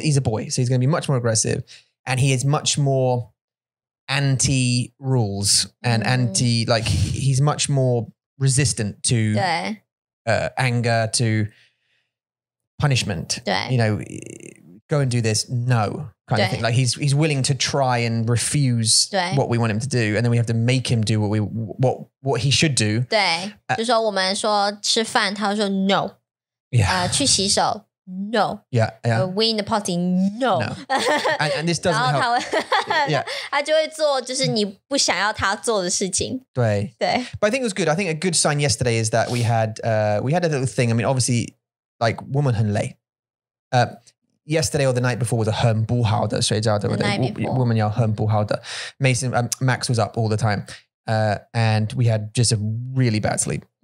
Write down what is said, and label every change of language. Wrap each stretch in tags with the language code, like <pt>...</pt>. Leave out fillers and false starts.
<en>he's a boy so he's going to be much more aggressive and he is much more anti-rules and anti like he's much more resistant to anger to punishment</en> <zh>对</zh> <en>you know go and do this no kind of thing like he's willing to try and refuse what we want him to do and then we have to make him do what he should do</en> <zh>对就说我们说吃饭他说 no</zh> <en>yeah</en> <zh>去洗手 no</zh> <en>yeah, yeah. We in the party no and this doesn't</en> <zh>然后他会</zh> <en>help yeah</en> <zh>他就会做就是你不想要他做的事情对对</zh> <en>but I think it was good I think a good sign yesterday is that we had a little thing I mean obviously like</en> <zh>我们很累</zh> <en>Yesterday or the night before was a</en> <zh>很不好的睡觉的</zh> <en>，the night before.</en> <zh>我们要很不好的。</zh> <en>Mason, Max was up all the time. And we had just a really bad sleep.</en>